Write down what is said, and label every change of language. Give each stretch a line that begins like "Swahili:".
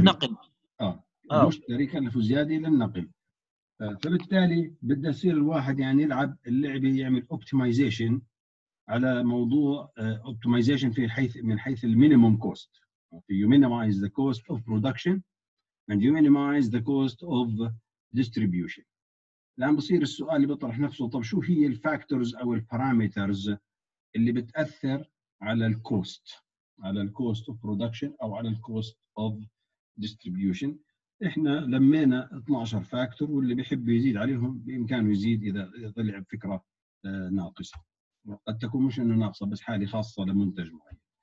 Arabic: نقل. المشتري كلفه زياده للنقل. فبالتالي بده يصير الواحد يعني يلعب اللعبه، يعمل اوبتمايزيشن على موضوع اوبتمايزيشن في حيث من حيث المينيموم كوست،
English: You minimize the cost of production and you minimize the cost of distribution.
Arabic: الآن بصير السؤال اللي بطرح نفسه، طب شو هي الفاكتورز أو البارامترز اللي بتأثر على الكوست، على الكوست
English: of production
Arabic: أو على الكوست
English: of distribution؟
Arabic: إحنا لمينا 12 فاكتور، واللي بيحب يزيد عليهم بإمكانه يزيد إذا طلع بفكرة ناقصة، قد تكون مش إنه ناقصة بس حالي خاصة لمنتج معين.